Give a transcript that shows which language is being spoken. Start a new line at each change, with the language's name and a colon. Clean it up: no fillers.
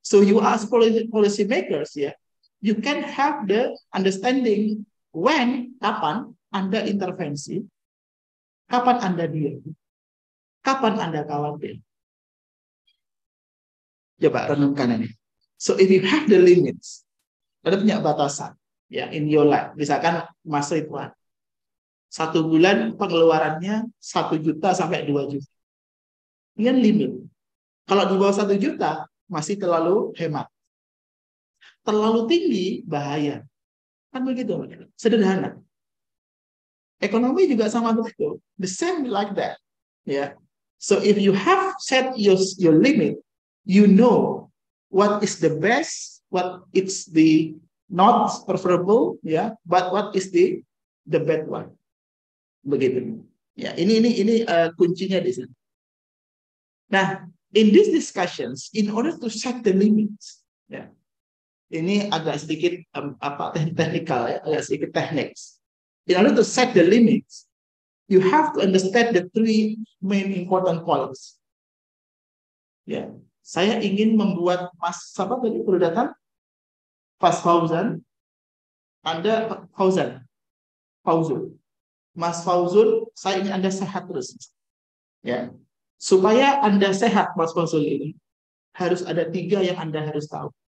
English: So you as policy makers, you can have the understanding when,
Indonesian: kapan Anda intervensi, kapan Anda deal, kapan Anda khawatir. Coba renungkan ini.
English: So if you have the limits,
Indonesian: Anda punya batasan,
English: in your life.
Indonesian: Misalkan Mas Ridwan, satu bulan pengeluarannya 1 juta sampai 2 juta. Ini kan limit. Kalau di bawah 1 juta, masih terlalu hemat. Terlalu tinggi, bahaya. Kan begitu, sederhana. Ekonomi juga sama begitu.
English: The same like that. So if you have set your limit, you know what is the best, what is the not preferable, but what is the bad one.
Indonesian: Begitu. Ini kuncinya di sini. Nah,
English: in these discussions, in order to set the limits,
Indonesian: ini agak sedikit technical, agak sedikit techniques.
English: In order to set the limits, you have to understand the three main important points.
Indonesian: Saya ingin membuat Mas siapa tadi perlu datang? Mas Fauzan. Anda Fauzan. Fauzul. Mas Fauzul, saya ingin Anda sehat terus. Supaya Anda sehat, Mas Fauzul ini, harus ada 3 yang Anda harus tahu.